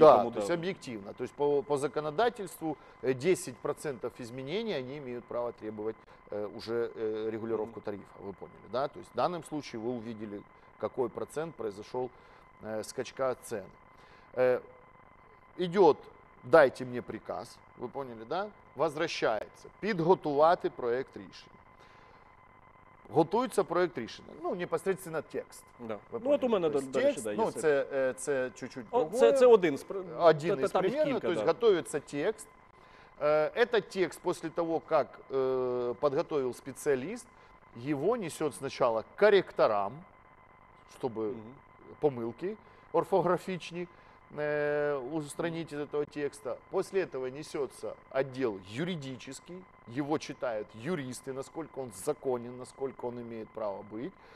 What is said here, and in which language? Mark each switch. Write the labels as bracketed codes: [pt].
[ru] да, тому, то есть объективно. То есть по законодательству 10% изменений они имеют право требовать уже регулировку тарифа, вы поняли, да? То есть в данном случае вы увидели, какой процент произошел скачка цен. Идет, дайте мне приказ, вы поняли, да? Возвращается, подготовить проект решения. [uk] Готується проект рішення. Ну, непосередньо текст. Да. Ну, от у мене, до речі, так. Ну, це [ru] чуть-чуть другое. [uk] Це один із примерів. [ru] То есть, [uk] готується текст. [ru] Этот текст, после того, как подготовил специалист, его несет сначала к корректорам, чтобы [uk] помилки орфографічні [ru] устранить из этого текста. После этого несется отдел юридический. Его читают юристы, насколько он законен, насколько он имеет право быть.